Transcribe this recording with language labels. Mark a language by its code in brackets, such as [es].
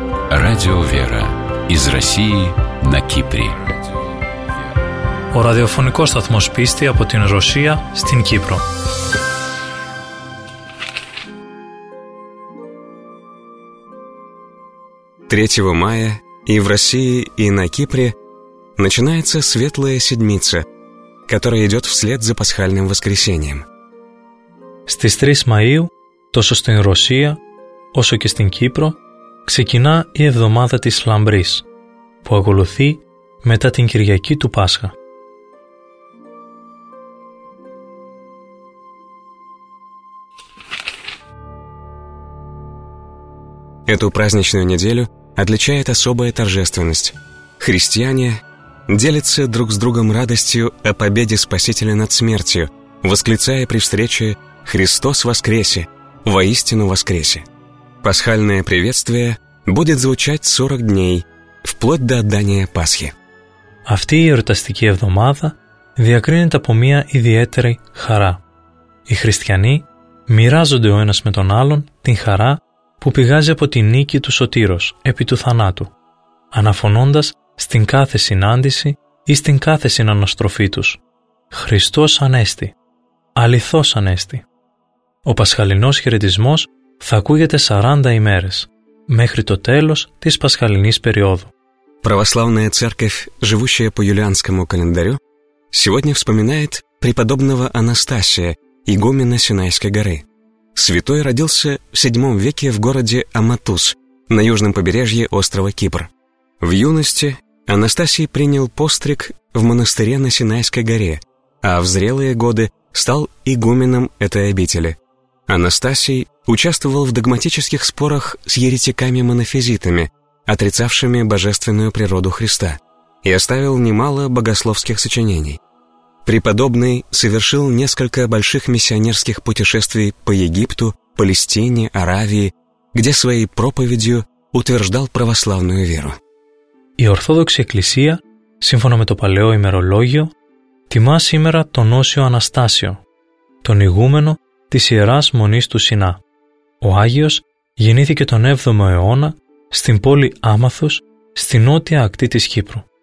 [ru] Радио «Вера» из России на Кипре. [el] Ο ραδιοφωνικός σταθμός πίστη από την Ρωσία στην Κύπρο. [ru] Третьего мая и в России, и на Кипре начинается Светлая Седмица, которая идет вслед за Пасхальным Воскресением. [el] Στις 3 Μαΐου, τόσο στην Ρωσία, όσο και στην Κύπρο, ξεκινά η εβδομάδα της Λαμπρής, που ακολουθεί μετά την Κυριακή του Πάσχα. [ru] Эту праздничную неделю отличает особая торжественность. Христиане делятся друг с другом радостью о победе Спасителя над смертью, восклицая при встрече «Христос воскресе! Воистину воскресе!». Пасхальное приветствие будет звучать 40 дней, вплоть до отдания Пасхи. [el] Αυτή η εορταστική εβδομάδα διακρίνεται από μια ιδιαίτερη χαρά. Οι χριστιανοί μοιράζονται ο ένας με τον άλλον την χαρά που πηγάζει από τη νίκη του Σωτήρος επί του θανάτου, αναφωνώντας στην κάθε συνάντηση ή στην κάθε συναναστροφή τους «Χριστός Ανέστη», «Αληθώς Ανέστη». Ο πασχαλινός χαιρετισμός θα ακούγεται 40 ημέρες, μέχρι το τέλος της πασχαλινής περίοδου. [ru] Православная церковь, живущая по юлианскому календарю, сегодня вспоминает преподобного Анастасия, игумена Синайской горы. Святой родился в VII веке в городе Аматус, на южном побережье острова Кипр. В юности Анастасий принял постриг в монастыре на Синайской горе, а в зрелые годы стал игуменом этой обители. Анастасий участвовал в догматических спорах с еретиками-монофизитами, отрицавшими божественную природу Христа, и оставил немало богословских сочинений. Преподобный совершил несколько больших миссионерских путешествий по Египту, Палестине, Аравии, где своей проповедью утверждал православную веру. [el] Η Ορθόδοξη Εκκλησία, σύμφωνα με το παλαιό ημερολόγιο, τιμά σήμερα τον Όσιο Αναστάσιο, τον ηγούμενο της Ιεράς Μονής του Σινά. Ο Άγιος γεννήθηκε τον 7ο αιώνα στην πόλη Άμαθος, στη νότια ακτή της Κύπρου.